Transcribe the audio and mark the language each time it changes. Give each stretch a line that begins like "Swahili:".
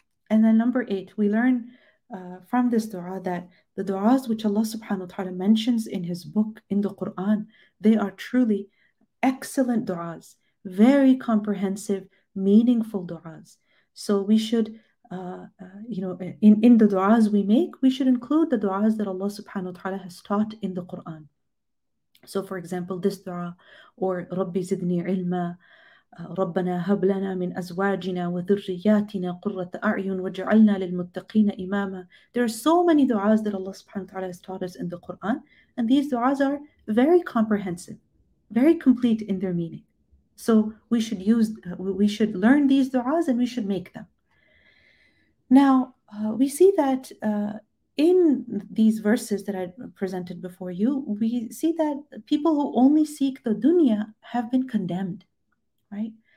English: And then number eight, we learn from this dua that the du'as which Allah subhanahu wa ta'ala mentions in his book, in the Quran, they are truly excellent du'as, very comprehensive, meaningful du'as. So we should, in the du'as we make, we should include the du'as that Allah subhanahu wa ta'ala has taught in the Quran.
Arabic: So for example, this du'a, or Rabbi zidni ilma, رَبَّنَا هَبْ لَنَا مِنْ أَزْوَاجِنَا وَذُرِّيَّاتِنَا قُرَّةَ أَعْيُنٍ وَاجْعَلْنَا لِلْمُتَّقِينَ إِمَامًا.
English: There are so many du'as that Allah subhanahu wa ta'ala has taught us in the Quran, and these du'as are very comprehensive, very complete in their meaning. So we should learn these du'as and we should make them. Now, we see that in these verses that I presented before you, we see that people who only seek the dunya have been condemned. Right?